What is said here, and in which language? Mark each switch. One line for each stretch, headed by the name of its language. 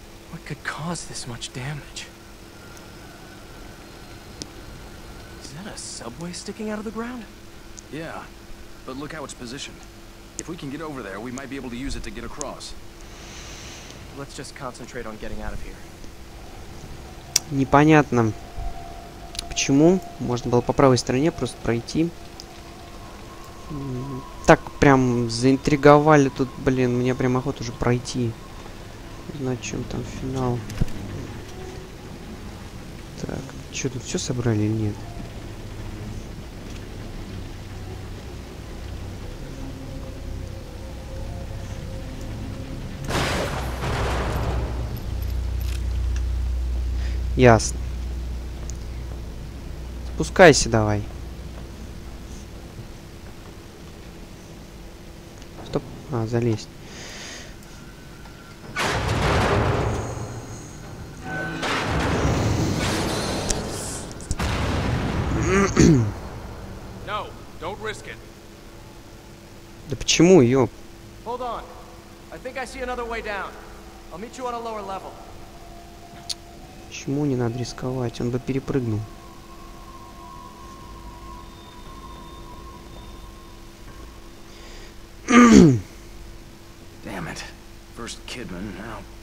English: What could cause this much damage? Subway sticking out of the ground? Yeah, but look how it's positioned. If we can get over there, we might be able to use it to get across. Let's just concentrate on getting out of here.
Russian: Непонятно, почему можно было по правой стороне просто пройти. Так прям заинтриговали тут, блин, мне прям охота уже пройти. Знать, чем там финал. Так, что тут все собрали или нет? Ясно. Спускайся давай. Стоп. А, залезть.
English: No, don't risk it.
Russian: Да почему, ёп?
English: Hold on. I think I see another way down. I'll meet you on a lower level.
Russian: Почему не надо рисковать? Он бы перепрыгнул.
English: Damn it. First Kidman, now.